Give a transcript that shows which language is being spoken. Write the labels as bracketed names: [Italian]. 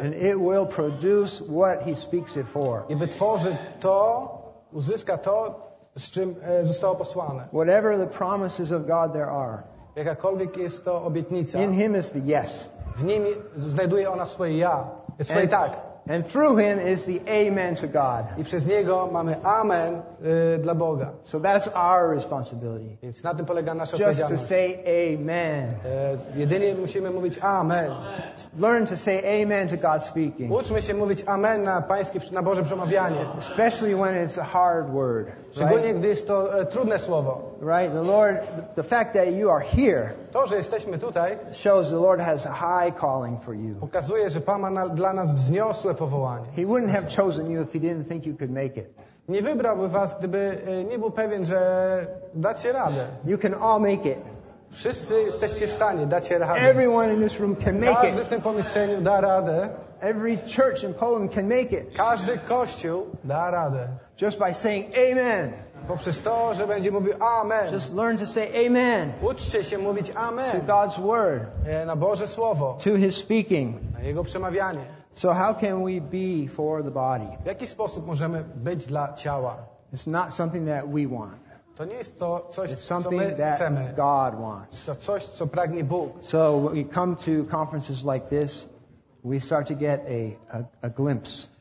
[English] And it will produce what he speaks it for. [Polish] I wytworzy to, uzyska to, z czym zostało posłane. [English] Whatever the promises of God there are. [Polish] Jakakolwiek jest to obietnica. [English] In him is the yes. [Polish] W nim znajduje ona swoje ja, swoje [English] and, [Polish] tak. [English] And through him is the amen to God. [Polish] I przez niego mamy amen dla Boga. [English] So that's our responsibility. [Polish] Więc na tym polega nasza [English] just to say amen. [Polish] Jedynie musimy mówić amen. [English] Learn to say amen to God speaking. [Polish] Uczmy się mówić amen na Boże przemawianie. [English] Especially when it's a hard word. [Polish] Szczególnie [English] right? [Polish] Gdy jest to trudne słowo. [English] Right, the Lord, the fact that you are here, [Polish] to, że jesteśmy tutaj, [English] shows the Lord has a high calling for you. [Polish] Pokazuje, że Pan ma dla nas wzniosłe powołanie. [English] He wouldn't have chosen you if he didn't think you could make it. [Polish] Nie wybrałby was, gdyby nie był pewien, że dacie radę. [English] You can all make it. [Polish] Wszyscy jesteście w stanie, dacie radę. [English] Everyone in this room can make it. [Polish] Każdy w tym pomieszczeniu da radę. [English] Every church in Poland can make it. [Polish] Każdy kościół da radę. [English] Just by saying amen. [Polish] Poprzez to, że będzie mówił amen. [English] Just learn to say amen. [Polish] Uczcie się mówić amen. [English] To God's word. [Polish] Na Boże słowo. [English] To his speaking. [Polish] Na jego przemawianie. [English] So how can we be for the body? [Polish] W jaki sposób możemy być dla ciała? [English] It's not something that we want. [Polish] To nie jest to coś, [English] it's something [Polish] co my chcemy. [English] That God wants. [Polish] To coś, co pragnie Bóg. [English] So when we come to conferences like this, we start to get a glimpse.